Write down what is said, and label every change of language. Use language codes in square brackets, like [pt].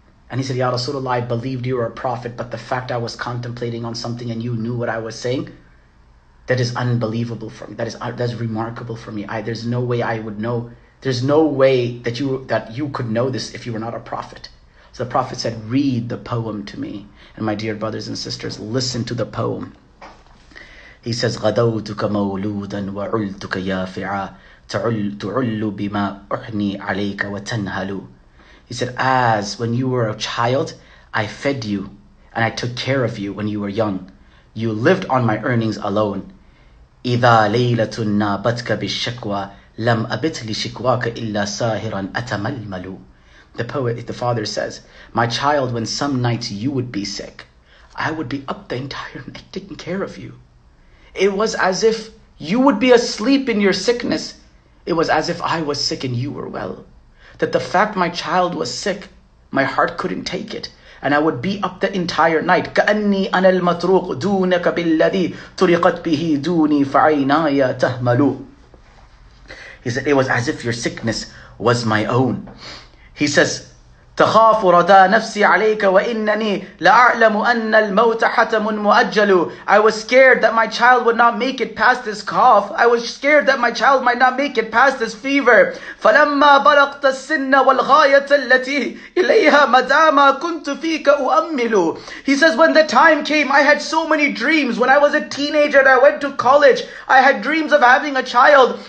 [en] And he said, Ya Rasulullah, I believed you were a prophet, but the fact I was contemplating on something and you knew what I was saying, that is unbelievable for me. That's remarkable for me. There's no way I would know. There's no way that you could know this if you were not a prophet. So the Prophet said, read the poem to me. And my dear brothers and sisters, listen to the poem. He says, [ar] غَدَوْتُكَ مَوْلُودًا وَعُلْتُكَ يَافِعًا تُعُلُّ بِمَا أُحْنِي عَلَيْكَ وَتَنْهَلُ. [en] He said, as when you were a child, I fed you and I took care of you when you were young. You lived on my earnings alone. [ar] إِذَا لَيْلَةٌ نَابَتْكَ بِالشَّكْوَى لَمْ أَبِتْ لِشِكْوَاكَ إِلَّا سَاهِرًا أَتَمَلْمَلُ. [en] The poet, the father says, my child, when some nights you would be sick, I would be up the entire night taking care of you. It was as if you would be asleep in your sickness. It was as if I was sick and you were well. That the fact my child was sick, my heart couldn't take it. And I would be up the entire night. [ar] كَأَنِّي أَنَا الْمَطْرُوقُ دُونَكَ بِالَّذِي تُرِقَتْ بِهِ دُونِي فَعَيْنَايَ تَهْمَلُ. [en] He said, it was as if your sickness was my own. He says, [ar] تَخَافُ رَدَى نَفْسِي عَلَيْكَ وَإِنَّنِي لَأَعْلَمُ أَنَّ الْمَوْتَ حَتَمٌ مُؤَجَّلٌ. [en] I was scared that my child would not make it past this cough. I was scared that my child might not make it past this fever. [ar] فَلَمَّا بَلَغْتَ السِّنَّ وَالْغَايَةَ الَّتِي إِلَيْهَا مَدَامَا كُنْتُ فِيكَ أُؤَمِّلُ. [en] He says, when the time came, I had so many dreams. When I was a teenager and I went to college, I had dreams of having a child.